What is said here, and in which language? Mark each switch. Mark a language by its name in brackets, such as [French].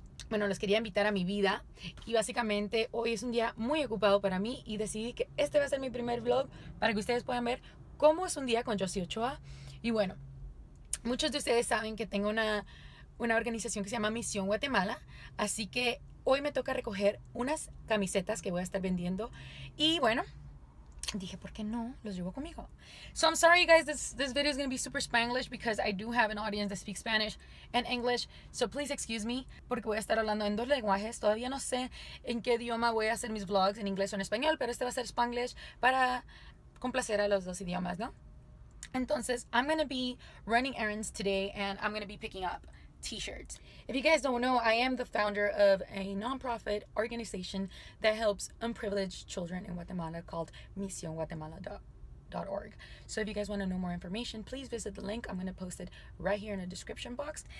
[Spanish] Los quería invitar a mi vida y básicamente hoy es un día muy ocupado para mí y decidí que este va a ser mi primer vlog para que ustedes puedan ver cómo es un día con Jossie Ochoa. Y bueno, muchos de ustedes saben que tengo una organización que se llama Misión Guatemala, así que hoy me toca recoger unas camisetas que voy a estar vendiendo y bueno, dije, ¿por qué no? Los llevo conmigo. [English] So I'm sorry, you guys, this video is going to be super Spanglish because I do have an audience that speaks Spanish and English. So please excuse me, [Spanish] porque voy a estar hablando en dos lenguajes. Todavía no sé en qué idioma voy a hacer mis vlogs, en inglés o en español, pero este va a ser Spanglish para complacer a los dos idiomas, ¿no? Entonces, [English] I'm going to be running errands today and I'm going to be picking up t-shirts. If you guys don't know, I am the founder of a nonprofit organization that helps unprivileged children in Guatemala called MisiónGuatemala.org. So if you guys want to know more information, please visit the link. I'm going to post it right here in the description box.